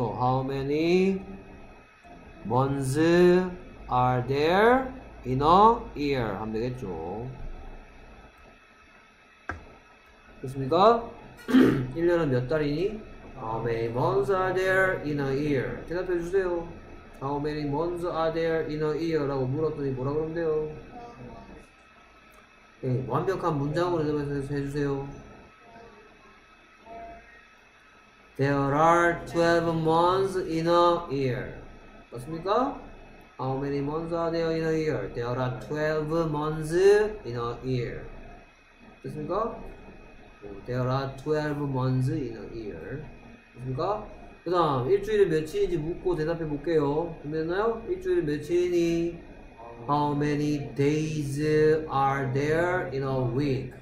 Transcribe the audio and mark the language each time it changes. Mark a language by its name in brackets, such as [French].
[English] How many months are there in a year? [Korean] 하면 되겠죠? 됐습니까? 1년은 몇 달이니? [English] How many months are there in a year? [Korean] 대답해 주세요. [English] How many months are there in a year? [Korean] 라고 물었더니 뭐라 그러면 돼요? 네, 완벽한 문장으로 대답해서 해주세요. [English] There are 12 months in a year. [Korean] 맞습니까? [English] How many months are there in a year? There are 12 months in a year. [Korean] 됐습니까? [English] There are 12 months in a year. [Korean] 됐습니까? 그 다음 일주일에 며칠인지 묻고 대답해 볼게요. 됐나요? 일주일에 며칠이니? [English] How many days are there in a week?